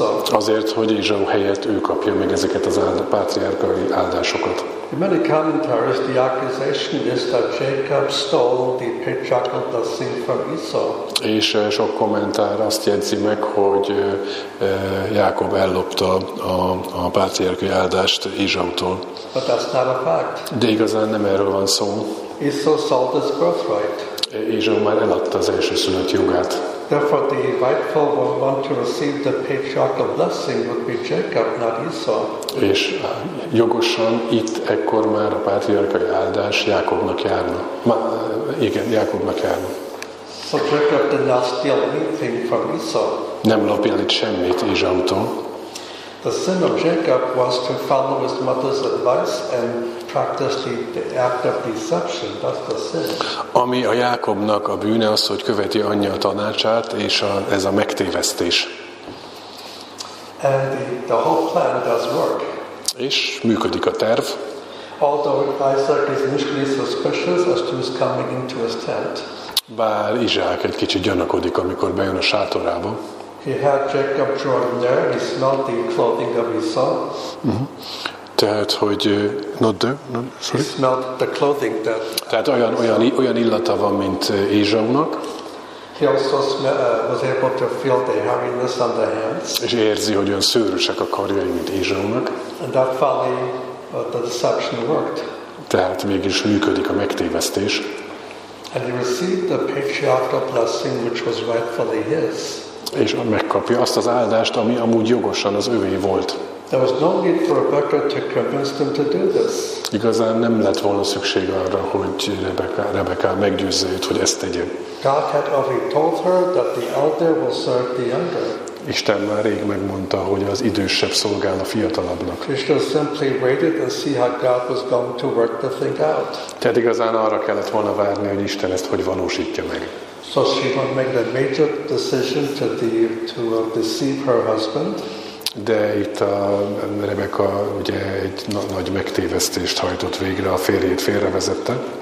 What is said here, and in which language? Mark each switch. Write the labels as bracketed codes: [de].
[hu] Azért, hogy Ézsau helyett ő kapja meg ezeket az pátriárkai áldásokat. [en] In many commentaries, the accusation is that Jacob stole the patriarchal blessing from Esau. [hu] És sok kommentár azt jegyzi meg, hogy Jákob ellopta a pátriárkai áldást Ézsautól. [en] But that's not a fact. [hu] De igazán nem erről van szó. [en] Esau sold his birthright. [hu] Ézsau már eladta az elsőszülött jogát. [en] Therefore, the rightful one to receive the patriarchal blessing would be Jacob, not Esau. [hu] És jogosan itt ekkor már a pátriarkai áldás Jákobnak járna. Jákobnak járna. [en] So Jacob did not steal anything from Esau. [hu] Nem lopjál itt semmit Ézsautól. [en] The sin of Jacob was to follow his mother's advice and practice the act of deception. That's the sin. [hu] Ami a Jákobnak a bűne az, hogy követi anyja tanácsát, és ez a megtévesztés. [en] And the whole plan does work. [hu] És működik a terv. [en] Although Isaac is initially suspicious as to his coming into his tent. [hu] Bár Izsák egy kicsit gyanakodik, amikor bejön a sátorába. [en] He had Jacob drawn there. He smelled the clothing of Esau. Mm-hmm. [hu] Tehát, hogy [en] not there, no, sorry. He smelled the clothing that. [hu] Tehát olyan illata van, mint Ézsaunak. [en] He also was able to feel the hairiness on the hands. [hu] És érzi, hogy olyan szőrösek a karjai, mint Ézsaunak. [en] And that finally, the deception worked. [hu] Tehát mégis működik a megtévesztés. [en] And he received the patriarchal blessing, which was rightfully his. [hu] És megkapja azt az áldást, ami amúgy jogosan az övé volt. [en] There was no need for Rebecca to convince them to do this. [hu] Igazán nem lett volna szükség arra, hogy Rebecca meggyőzze őt, hogy ezt tegye. [en] God had already told her that the elder will serve the younger. [hu] Isten már rég megmondta, hogy az idősebb szolgál a fiatalabbnak. [en] She simply waited and see how God was going to work the thing out. [hu] Tehát igazán arra kellett volna várni, hogy Isten ezt hogy valósítja meg. [en] So she would make the major decision to deceive her husband. [hu] De itt a Rebecca ugye egy nagy megtévesztést hajtott végre, a férjét félrevezette.